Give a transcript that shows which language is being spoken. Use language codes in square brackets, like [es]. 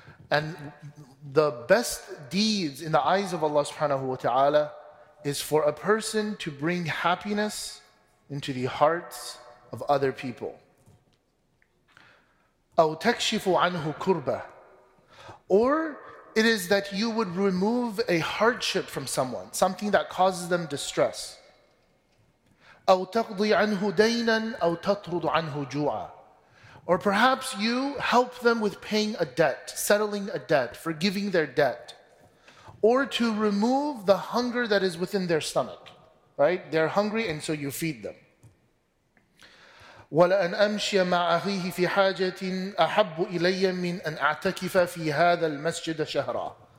[en] And the best deeds in the eyes of Allah subhanahu wa ta'ala is for a person to bring happiness into the hearts of other people. [ar] أو تكشف عنه كربة. [en] Or it is that you would remove a hardship from someone, something that causes them distress. [ar] أو تقضي عنه دينا أو تطرد عنه جوعا. [en] Or perhaps you help them with paying a debt, settling a debt, forgiving their debt. Or to remove the hunger that is within their stomach, right? They're hungry and so you feed them. [ar] وَلَأَنْ أَمْشِيَ مَعَ أَخِيهِ فِي حَاجَةٍ أَحَبُّ إِلَيَّ مِنْ أَنْ أَعْتَكِفَ فِي هَذَا الْمَسْجِدَ شَهْرًا.